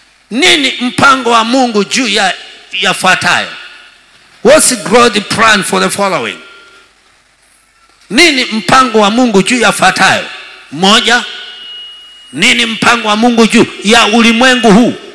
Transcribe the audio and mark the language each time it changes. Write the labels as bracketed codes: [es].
[sw] Nini mpango wa Mungu juu ya fuatayo? [en] What's God's plan for the following? [sw] Nini mpango wa Mungu juu ya fuatayo? Moja. Nini mpango wa Mungu juu ya ulimwengu huu?